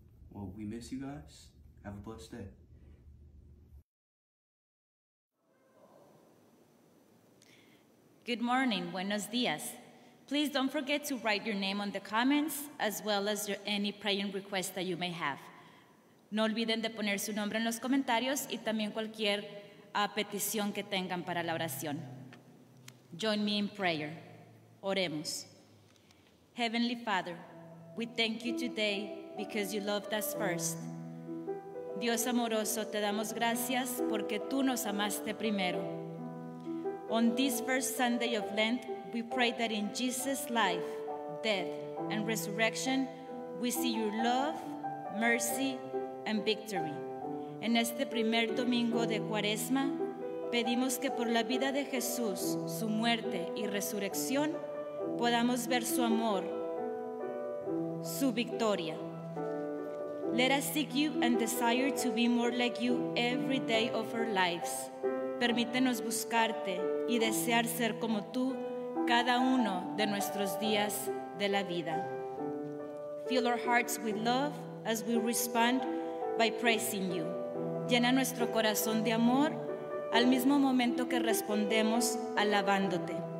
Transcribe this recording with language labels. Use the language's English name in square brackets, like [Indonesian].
[English] Well, we miss you guys. Have a blessed day. Good morning. [Spanish] Buenos dias. [English] Please don't forget to write your name on the comments as well as any praying requests that you may have. [Spanish] No olviden de poner su nombre en los comentarios y también cualquier petición que tengan para la oración. [English] Join me in prayer. [Spanish] Oremos. [English] Heavenly Father, we thank you today because you loved us first. [Spanish] Dios amoroso, te damos gracias porque tú nos amaste primero. [English] On this first Sunday of Lent, we pray that in Jesus' life, death, and resurrection, we see your love, mercy, and victory. [Spanish] En este primer domingo de Cuaresma, pedimos que por la vida de Jesús, su muerte y resurrección, podamos ver su amor, su victoria. [English] Let us seek you and desire to be more like you every day of our lives. [Spanish] Permítenos buscarte y desear ser como tú cada uno de nuestros días de la vida. [English] Fill our hearts with love as we respond by praising you. [Spanish] Llena nuestro corazón de amor al mismo momento que respondemos alabándote.